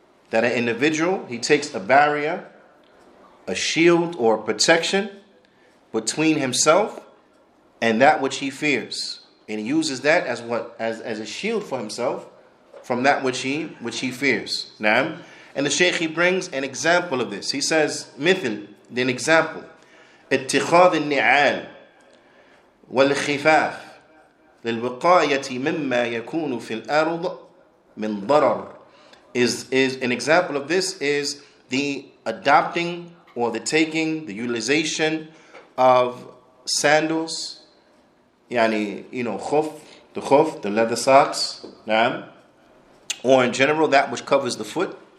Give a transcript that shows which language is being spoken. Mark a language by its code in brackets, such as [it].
[en] That an individual, he takes a barrier, a shield or protection between himself and that which he fears. And he uses that as what? As a shield for himself from that which he fears. Naam. And the Shaykh, he brings an example of this. He says, مثل, an example. [ar] اتخاذ النعال والخفاف للوقاية مما يكون في الأرض من ضرر. [en] Is an example of this is the adopting or the taking, the utilization of sandals. يعني, you know, خف, the leather socks. نعم. Or in general, that which covers the foot.